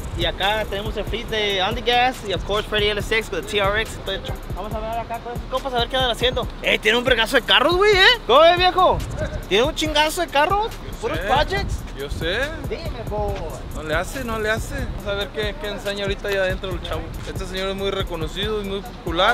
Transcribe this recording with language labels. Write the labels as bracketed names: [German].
[Spanish] Y acá tenemos el fleet de Andy Gas. [English] Y of course, Freddy LSX with the TRX. [Spanish] Vamos a ver acá con esos compas a ver qué andan haciendo. Hey, tiene un vergazo de carros, güey, eh. ¿Cómo es, viejo? Tiene un chingazo de carros. Puros projects. Yo sé. Dime, boy. No le hace. Vamos a ver qué enseña ahorita ahí adentro el chavo. Este señor es muy reconocido y muy popular.